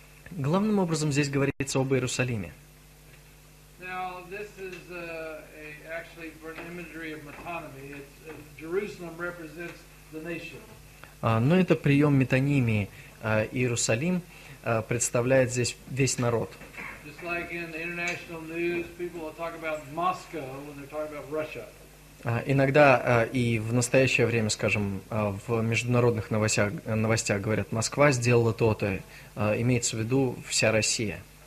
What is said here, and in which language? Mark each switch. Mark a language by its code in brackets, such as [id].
[ru] Главным образом здесь говорится об Иерусалиме. [en] Now, this is actually an imagery of metonymy. Jerusalem represents the nation. [ru] Но это прием метонимии. Иерусалим представляет здесь весь народ. [en] Just like in international news, people will talk about Moscow when they're talking about Russia. [ru] Иногда и в настоящее время, скажем, в международных новостях говорят, Москва сделала то-то, имеется в виду вся Россия.